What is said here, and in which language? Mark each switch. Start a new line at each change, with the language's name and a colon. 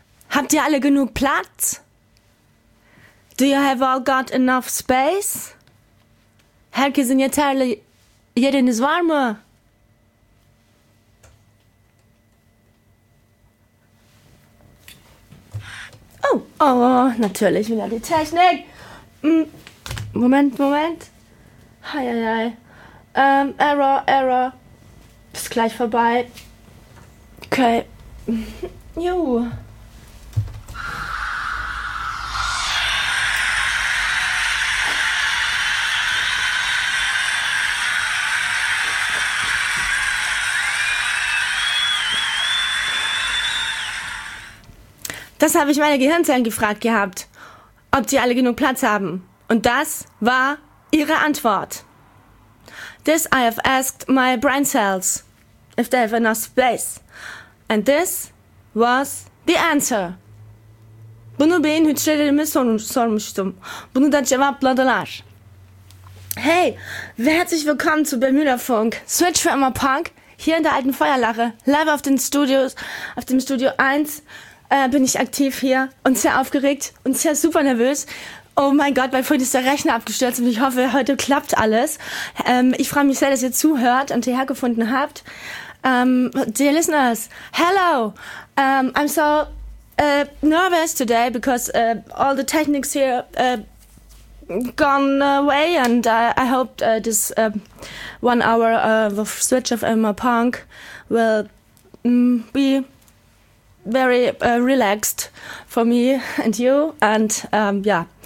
German: Habt ihr alle genug Platz?
English: Do you have all got enough space?
German: Herke, sind jetzt alle jeden ist warme. Oh, natürlich wieder die Technik. Moment. Hei. Error. Ist gleich vorbei. Okay. Jo. Das habe ich meine Gehirnzellen gefragt gehabt, ob die alle genug Platz haben. Und das war ihre Antwort.
English: This I have asked my brain cells, if they have enough space. And this was the answer.
Turkish: Bunu beyin hücrelerime sormuştum. Bunu da cevapladılar.
German: Hey, herzlich willkommen zu Bermuda-Funk. Switch for immer Punk, hier in der alten Feuerlache, live auf den Studios, auf dem Studio 1, bin ich aktiv hier und sehr aufgeregt und sehr super nervös. Oh mein Gott, weil vorhin ist der Rechner abgestürzt und ich hoffe, heute klappt alles. Ich freue mich sehr, dass ihr zuhört und hierher gefunden habt.
English: Dear listeners, hello! I'm so nervous today because all the technics here gone away and I hope this 1 hour of Switch of Emma Punk will be very relaxed for me and you and yeah.